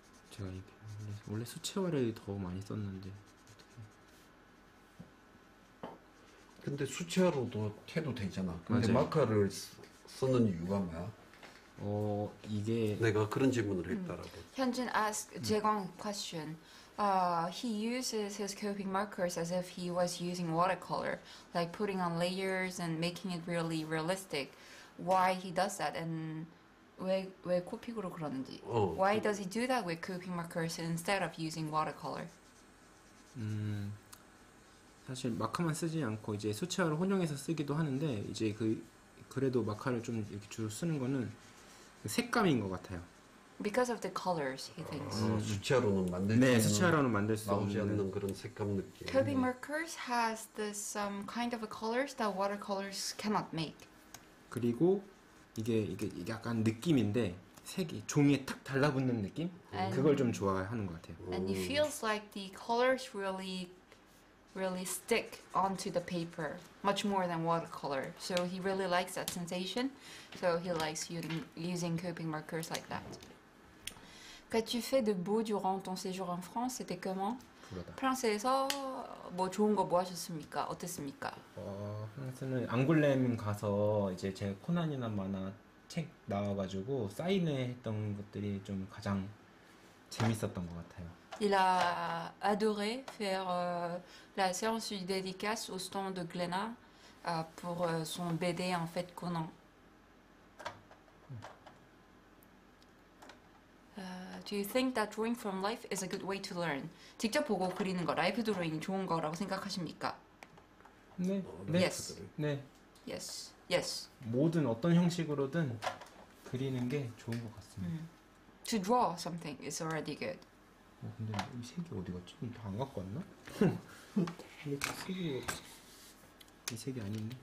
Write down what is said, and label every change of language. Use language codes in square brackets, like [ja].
[ko] 제가 이게 원래 수채화를 더 많이 썼는데 어떻게? 근데 수채화로도 해도 되잖아. 근데 맞아요. 마카를 쓰는 이유가 뭐야? 어 이게 내가 그런 질문을 했다라고. [en] Hyunjin asked Jaegwang question. He uses his Copic markers as if he was using watercolor, like putting on layers and making it really realistic. Why he does that and [ko] 왜 Copic으로 그러는지. 어, [en] Why 그, does he do that with Copic markers instead of using watercolor? [ko] 사실 마카만 쓰지 않고 이제 수채화를 혼용해서 쓰기도 하는데 이제 그 그래도 마카를 좀 이렇게 주로 쓰는 거는 색감인 것 같아요. [en] Because of the colors, he thinks. [ko] 수채화로는 만들 수 없는. 네, 수채화로는 만들 수 없는 그런 색감 느낌. [en] Copic markers has this some kind of colors that watercolors cannot make. [ko] 그리고 이게 약간 느낌인데 색이 종이에 탁 달라붙는 느낌? [en] And [ko] 그걸 좀 좋아하는 것 같아요. [en] it feels like the colors really stick onto the paper much more than watercolor. So he really likes that sensation. So he likes using coping markers like that. [fr] Qu'as-tu fait de beau durant ton séjour en France? C'était comment? [ko] 프랑스에서 뭐 좋은 거 보셨습니까? 어땠습니까? 프랑스는 앙굴렘 가서 이제 제 코난이나 만화 책 나와가지고 사인회 했던 것들이 좀 가장 재밌었던 것 같아요. [fr] Il a adoré faire la séance de dédicace au stand de Glénat pour son BD en fait Conan. [en] Do you think that drawing from life is a good way to learn? [ko] 직접 보고 그리는 거, 라이프 드로잉이 좋은 거라고 생각하십니까? 네. [en] Yes. [ko] 모든 어떤 형식으로든 그리는 게 좋은 것 같습니다. [en] To draw something is already good. [ko] 근데 이 색이 어디 갔지? 다안 갖고 왔나? 이 색이 아닌데?